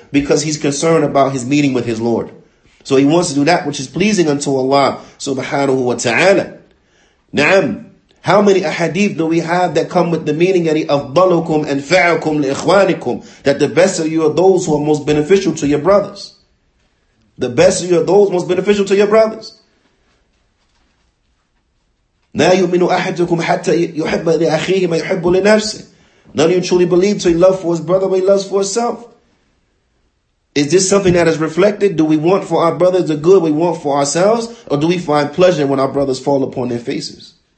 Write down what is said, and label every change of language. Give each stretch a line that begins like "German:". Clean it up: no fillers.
English: Because he's concerned about his meeting with his Lord. So he wants to do that which is pleasing unto Allah subhanahu wa ta'ala. Na'am. How many ahadith do we have that come with the meaning that
Arabic: أَفْضَلُكُمْ أَنْفَعُكُمْ لِإِخْوَانِكُمْ,
English: that the best of you are those who are most beneficial to your brothers. The best of you are those most beneficial to your brothers.
Arabic: لا يؤمن أحدكم حتى يحب لأخيه ما يحب لنفسه.
English: None of you truly believe till he loves for his brother what he loves for himself. Is this something that is reflected? Do we want for our brothers the good we want for ourselves? Or do we find pleasure when our brothers fall upon their faces?